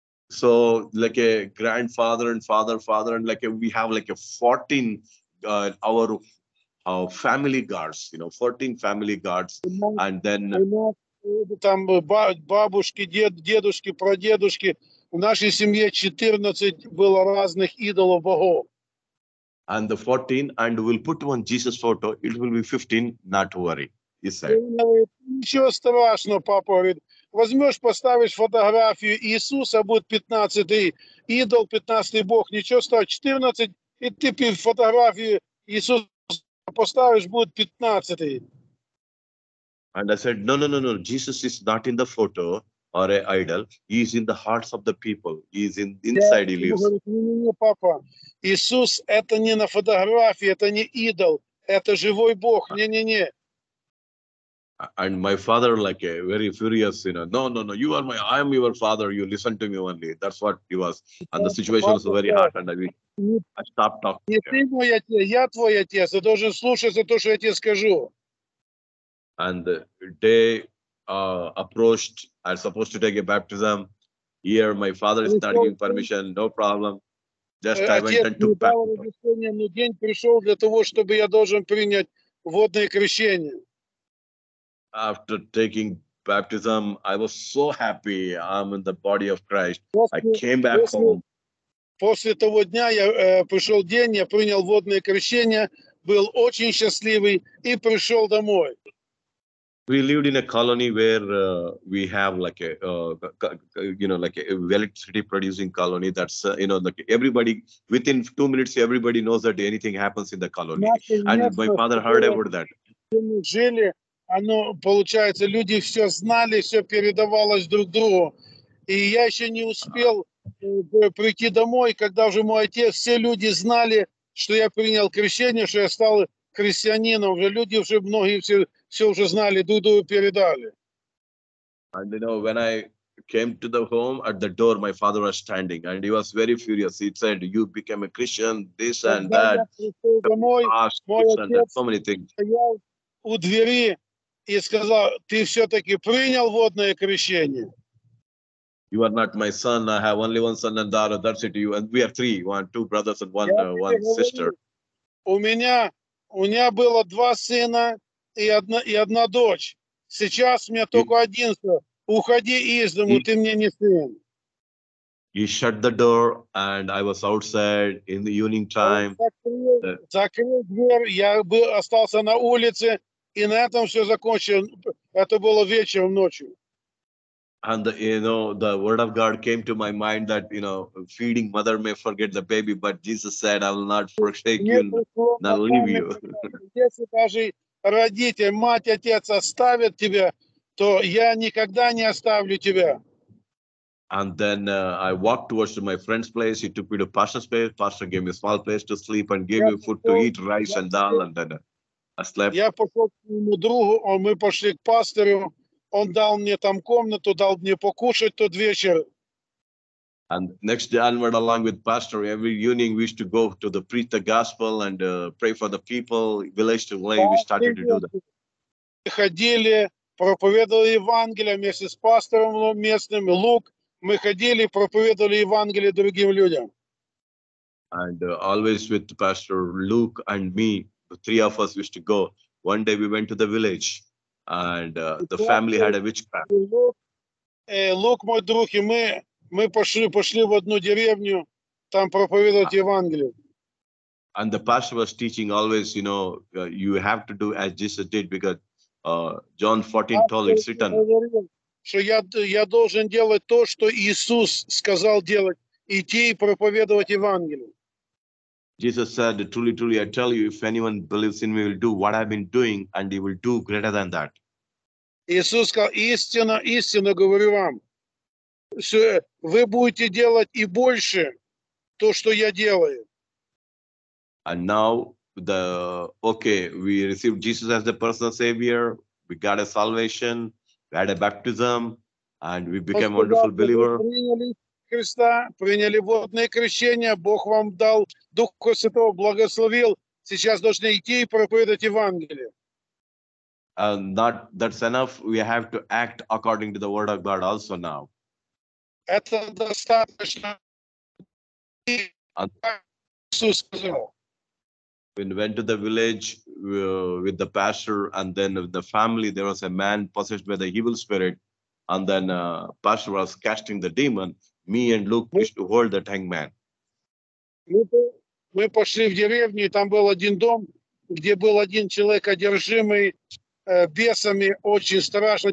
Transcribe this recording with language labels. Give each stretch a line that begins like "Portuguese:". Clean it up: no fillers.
English: So, like a grandfather and father, and like a, we have like a 14 uh, our family guards, you know, 14 family guards, and then
Russian: там бабушки, дедушки, прадедушки. В нашей семье 14 было разных идолов богов.
English: And the 14, and we'll put one Jesus photo, it will be 15, not worry, he said.
Russian: Ничего страшного, папа говорит. Возьмешь, поставишь фотографию Иисуса, будет 15-й идол, 15-й бог, ничего страшного, 14, и ты фотографию Иисуса поставишь, будет 15-й.
English: And I said, no, Jesus is not in the photo or an idol. He is in the hearts of the people. He is inside, he lives.
Russian: Папа, Иисус, это не на фотографии, это не идол, это живой Бог. Не-не-не.
English: And my father, like a very furious, you know, no, you are my, I am your father, you listen to me only. That's what he was. And the situation was very hard, and I stopped talking.
Russian: Не ты мой отец, я твой отец, ты должен слушать за то, что я тебе скажу.
English: And the day approached, I was supposed to take a baptism. Here, my father is not giving permission, no problem. Just I went and took baptism.
Russian: Но день пришел для того, чтобы я должен принять водное крещение.
English: After taking baptism, I was so happy. I'm in the body of Christ. I came back home.
Russian: После того дня я пришел день, я принял водное крещение, был очень счастливый и пришел домой.
English: We lived in a colony where we have like a electricity producing colony. That's like everybody within 2 minutes, everybody knows that anything happens in the colony. And my father heard about that.
Russian: Жили, оно получается, люди все знали, все передавалось друг другу. И я еще не успел прийти домой, когда уже мой отец, все люди знали, что я принял крещение, что я стал христианином. Уже люди уже многие все. Все уже знали, дуду передали.
English: And you know, when I came to the home, at the door, my father was standing, and he was very furious. He said, "You became a Christian, this and that."
Russian: Домой, мой отец
English: so many things.
Russian: Стоял у двери и сказал, "Ты все-таки принял водное крещение?"
English: You are not my son. I have only one son and daughter. That's it. You and we are three. One, two brothers and one sister.
Russian: У меня было два сына. И одна дочь. Сейчас у меня только один сын. Уходи из дому, ты мне не сын.
English: He shut the door, and I was outside in the evening time.
Russian: Закрыл дверь, я был, остался на улице, и на этом все закончилось. Это было вечером, ночью.
English: And the, you know, the word of God came to my mind that, you know, feeding mother may forget the baby, but Jesus said, I will not forsake you, not leave you.
Russian: Родитель, мать, отец оставят тебя, то я никогда не оставлю тебя.
English: And then I walked towards my friend's place. He took me to pastor's place. Pastor gave me a small place to sleep and gave me food to eat, rice and dal, and then I slept.
Russian: Я пошел к моему другу, мы пошли к пастору. Он дал мне там комнату, дал мне покушать тот вечер.
English: And next day onward, along with pastor, every evening we used to go to the preach the gospel and pray for the people, village to village. We started to do that.
Russian: Ходили, проповедовали Евангелие вместе с пастором местным Лук. Мы ходили, проповедовали Евангелие другим людям.
English: And always with Pastor Luke and me, the three of us used to go. One day we went to the village, and the family had a witchcraft.
Russian: Лук, мой друг, и мы пошли в одну деревню, там проповедовать Евангелие.
English: And the pastor was teaching always, you know, you have to do as Jesus did, because John 14 told it's written.
Russian: Что я должен делать то, что Иисус сказал делать, идти и проповедовать Евангелие.
English: Jesus said, truly, truly, I tell you, if anyone believes in me, will do what I've been doing, and he will do greater than that.
Russian: Иисус сказал, истинно, истинно говорю вам. Вы будете делать и больше то, что я делаю.
English: And now we received Jesus as the personal savior, we got a salvation, we had a baptism, and we became wonderful believer.
Russian: Приняли Христа, приняли водное крещение, Бог вам дал Духа Святого, благословил. Сейчас должны идти и проповедовать Евангелие.
English: And that's enough. We have to act according to the word of God also now.
Russian: Это достаточно. Иисус сказал.
English: when we went to the village with the pastor, and then the family, there was a man possessed by the evil spirit, and then pastor was casting the demon. Me and Luke used to hold that hangman.
Russian: Мы пошли в деревню, и там был один дом, где был один человек, одержимый бесами, очень страшно.